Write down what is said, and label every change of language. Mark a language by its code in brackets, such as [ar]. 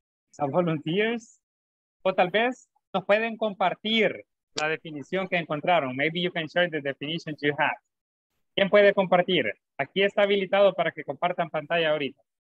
[en] Some volunteers, [es] o tal vez nos pueden compartir la definición que encontraron. [en] Maybe you can share the definition you have. [es] ¿Quién puede compartir? Aquí está habilitado para que compartan pantalla ahorita.